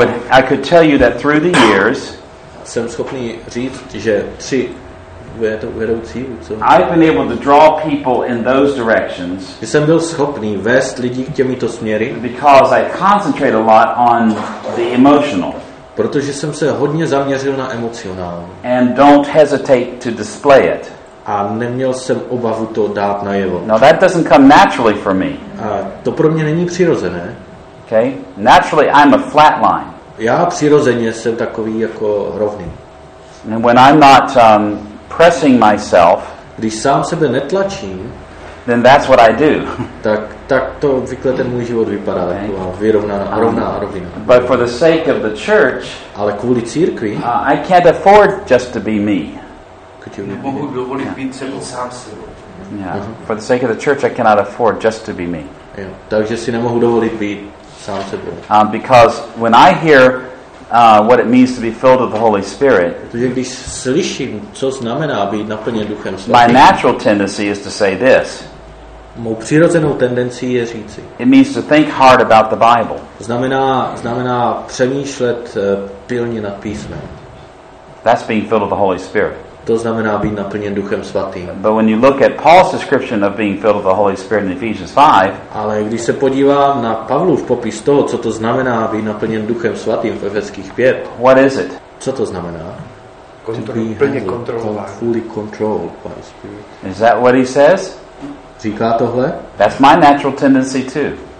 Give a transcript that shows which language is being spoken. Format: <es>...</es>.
<en>I could tell you that through the years,</en> <cs>jsem schopný říct, že tři vedoucí, co?</cs> <en>I've been able to draw people in those directions.</en> <cs>Jsem byl schopný vést lidi k těmito směry.</cs> <en>Because I concentrate a lot on the emotional.</en> <cs>Protože jsem se hodně zaměřil na emocionál.</cs> <en>And don't hesitate to display it.</en> <cs>A neměl jsem obavu to dát najevo.</cs> <en>Now that doesn't come naturally for me.</en> <cs>A to pro mě není přirozené.</cs> <en>Okay? Naturally I'm a flat line.</en> <cs>Já přirozeně jsem takový jako rovný.</cs> <en>And when I'm not pressing myself,</en> <cs>když sám sebe netlačím,</cs> <en>then that's what I do.</en> <cs>tak to obvykle ten můj život vypadá okay. taková vyrovnaná, rovná rovina.</cs> <en>But for the sake of the church,</en> <cs>ale kvůli církvi,</cs> <en>I can't afford just to be me. Yeah. For the sake of the church, I cannot afford just to be me.</en> <cs>Takže si nemohu dovolit být sám sebou.</cs> <en>Because when I hear what it means to be filled with the Holy Spirit,</en> <cs>když slyším, co znamená být naplněn Duchem Svatým,</cs> <en>my natural tendency is to say this.</en> <cs>Mou přirozenou tendencí je říci.</cs> <en>It means to think hard about the Bible.</en> <cs>Znamená přemýšlet pilně nad písmem.</cs> <en>That's being filled with the Holy Spirit.</en> <cs>To znamená být naplněn Duchem Svatým.</cs> <en>But when you look at Paul's description of being filled with the Holy Spirit in Ephesians 5,</en> <cs>ale když se podívám na Pavlův popis toho, co to znamená být naplněn Duchem Svatým v Efeských 5,</cs> <en>what is it?</en> <cs>Co to znamená?</cs> <en>Fully controlled by Spirit. Is that what he says?</en> <cs>Říká tohle?</cs> <en>That's my natural tendency too.</en>